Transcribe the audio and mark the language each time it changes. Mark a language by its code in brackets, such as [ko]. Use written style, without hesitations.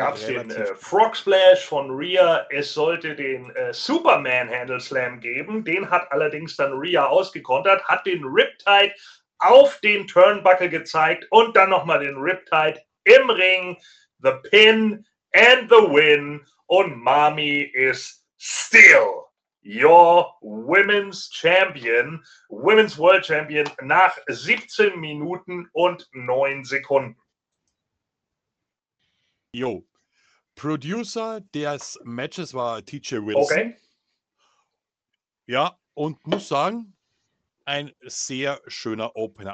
[de] gab's relativ... Gab es den Frog Splash von Rhea. Es sollte den Superman Handle Slam geben. Den hat allerdings dann Rhea ausgekontert, hat den Riptide auf den Turnbuckle gezeigt und dann nochmal den Riptide im Ring. [en] The Pin and the Win. Und Mami is still your Women's Champion. [de] Women's World Champion nach 17 Minuten und 9 Sekunden. Jo, Producer des Matches war TJ Wilson. Okay. Ja, und muss sagen, ein sehr schöner Opener.